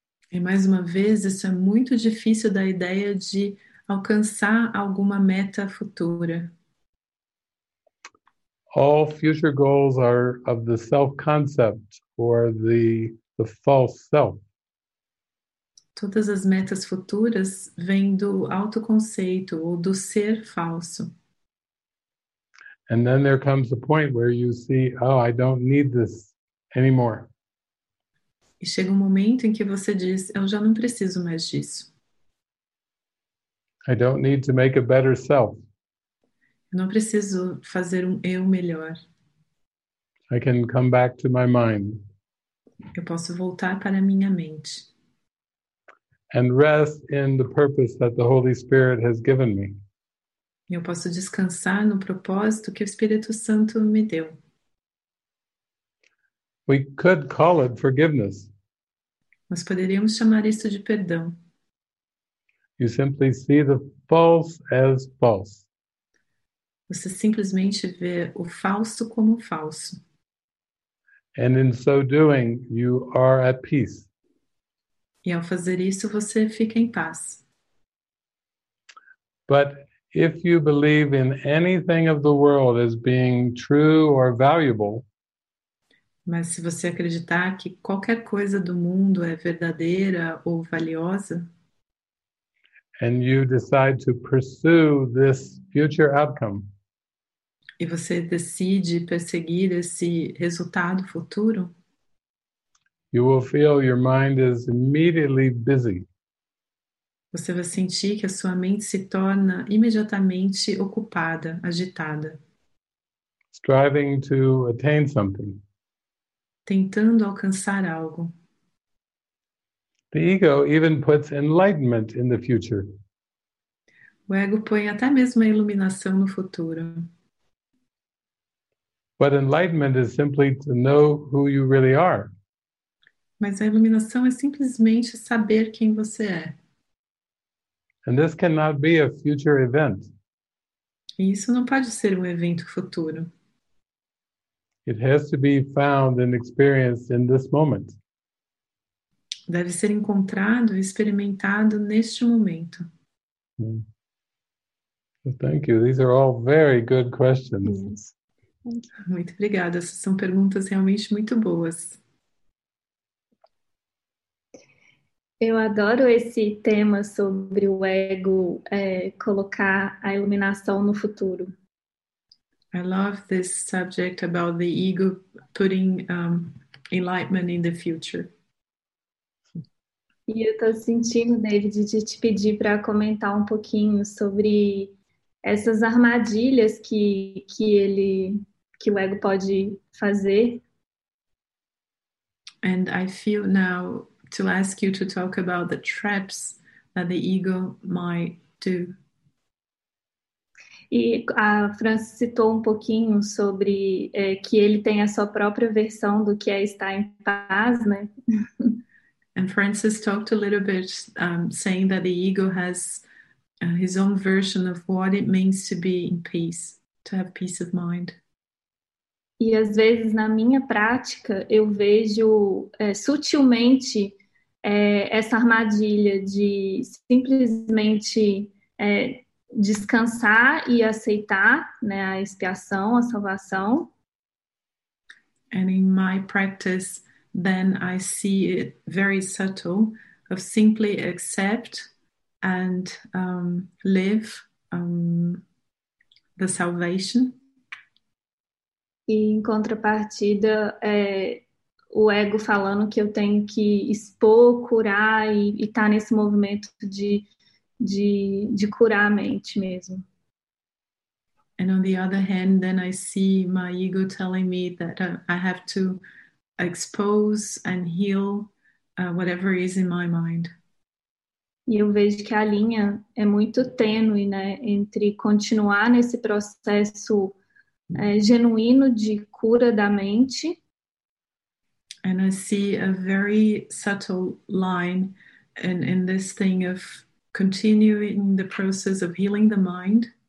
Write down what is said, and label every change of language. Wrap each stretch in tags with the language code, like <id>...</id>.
<pt>E mais uma vez, isso é muito difícil da ideia de alcançar alguma meta futura.</pt> <en>All future goals are of the self-concept or the false self.</en> <pt>Todas as metas futuras vêm do autoconceito ou do ser falso.</pt> <en>And then there comes a point where you see, oh, I don't need this anymore.</en> <pt>E chega um momento em que você diz, eu já não preciso mais disso.</pt> <en>I don't need to make a better self.</en> <pt>Eu não preciso fazer um eu melhor.</pt> <en>I can come back to my mind.</en> <pt>Eu posso voltar para a minha mente.</pt> <en>And rest in the purpose that the Holy Spirit has given me.</en> <pt>Eu posso descansar no propósito que o Espírito Santo me deu.</pt> <en>We could call it forgiveness.</en> <pt>Nós poderíamos chamar isso de perdão.</pt> <en>You simply see the false as false.</en> <pt>Você simplesmente vê o falso como falso.</pt> <en>And in so doing, you are at peace.</en> <pt>E ao fazer isso, você fica em paz.</pt> <en>But if you believe in anything of the world as being true or valuable,</en> <pt>mas se você acreditar que qualquer coisa do mundo é verdadeira ou valiosa,</pt> <en>and you decide to pursue this future outcome,</en> <pt>e você decide perseguir esse resultado futuro,</pt> <en>you will feel your mind is immediately busy.</en> <pt>Você vai sentir que a sua mente se torna imediatamente ocupada, agitada.</pt> <en>Striving to attain something.</en> <pt>Tentando alcançar algo.</pt> <en>The ego even puts enlightenment in the future.</en> <pt>O ego põe até mesmo a iluminação no futuro.</pt> <en>But enlightenment is simply to know who you really are.</en> <pt>Mas a iluminação é simplesmente saber quem você é.</pt> <en>And this cannot be a future event.</en> <pt>E isso não pode ser um evento futuro.</pt> <en>It has to be found and experienced in this moment.</en> <pt>Deve ser encontrado e experimentado neste momento.</pt> <en>Thank you. These are all very good questions. Yes.</en> <pt>Muito obrigada. Essas são perguntas realmente muito boas. Eu adoro esse tema sobre o ego, colocar a iluminação no futuro.</pt> <en>I love this subject about the ego putting enlightenment in the future.</en> <pt>E eu estou sentindo, David, de te pedir para comentar um pouquinho sobre essas armadilhas que o ego pode fazer.</pt> <en>And I feel now to ask you to talk about the traps that the ego might do.</en> <pt>E a Francis citou um pouquinho sobre que ele tem a sua própria versão do que é estar em paz, né?</pt> <en>And Francis talked a little bit, saying that the ego has his own version of what it means to be in peace, to have peace of mind.</en> <pt>E às vezes na minha prática eu vejo sutilmente essa armadilha de simplesmente descansar e aceitar, né, a expiação, a salvação.</pt> <en>And in my practice, then I see it very subtle of simply accept and live the salvation.</en> <pt>E em contrapartida, o ego falando que eu tenho que expor, curar e estar nesse movimento de curar a mente mesmo.</pt> <en>And on the other hand, then I see my ego telling me that I have to expose and heal whatever is in my mind.</en> <pt>E eu vejo que a linha é muito tênue, né, entre continuar nesse processo genuíno de cura da mente.</pt> <en>And I see a very subtle line in this thing of continuing the process of healing the mind.</en>